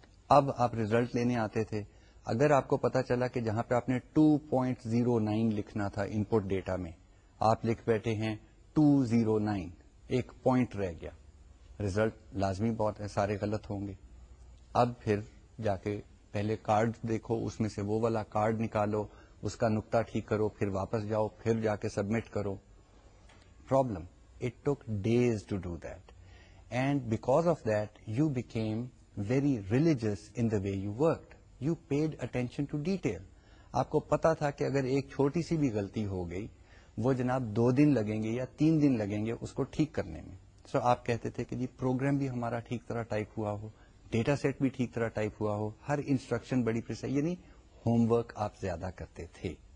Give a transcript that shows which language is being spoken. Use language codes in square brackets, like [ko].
[ur] اب آپ ریزلٹ لینے آتے تھے, اگر آپ کو پتا چلا کہ جہاں پہ آپ نے 2.09 لکھنا تھا ان پٹ ڈیٹا میں, آپ لکھ بیٹھے ہیں 209, ایک پوائنٹ رہ گیا, ریزلٹ لازمی بہت ہے سارے غلط ہوں گے. اب پھر جا کے پہلے کارڈ دیکھو, اس میں سے وہ والا کارڈ نکالو, اس کا نقطہ ٹھیک کرو, پھر واپس جاؤ, پھر جا کے سبمٹ کرو. [en] Problem, it took days to do that, and because of that you became very religious in the way you worked. You paid attention to detail. [ur] آپ کو پتا تھا کہ اگر ایک چھوٹی سی بھی غلطی ہو گئی, وہ جناب 2 دن لگیں گے یا 3 دن لگیں گے اس کو ٹھیک کرنے میں. سو آپ کہتے تھے کہ جی پروگرام بھی ہمارا ٹھیک طرح ٹائپ ہوا ہو, ڈیٹا سیٹ بھی ٹھیک طرح ٹائپ ہوا ہو, ہر انسٹرکشن بڑی پریسائز, یعنی ہوم ورک آپ زیادہ کرتے تھے.